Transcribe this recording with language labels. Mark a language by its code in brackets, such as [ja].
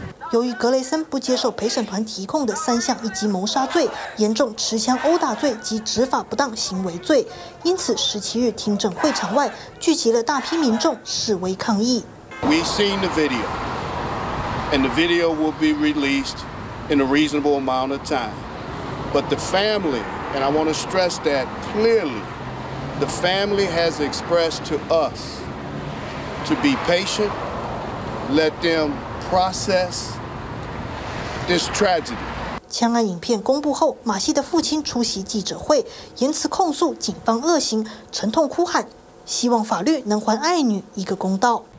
[zh] 由于格雷森不接受陪审团提控的3项1级谋杀罪、严重持枪殴打罪及执法不当行为罪，因此17日听证会场外聚集了大批民众示威抗议。 [en] We've seen the video, and the video will be released in a reasonable amount of time. But the family, and I want to stress that clearly, the family has expressed to us to be patient, let them. Process this tragedy. [zh] 枪案影片公布后，马西的父亲出席记者会，言辞控诉警方恶行，沉痛哭喊，希望法律能还爱女一个公道。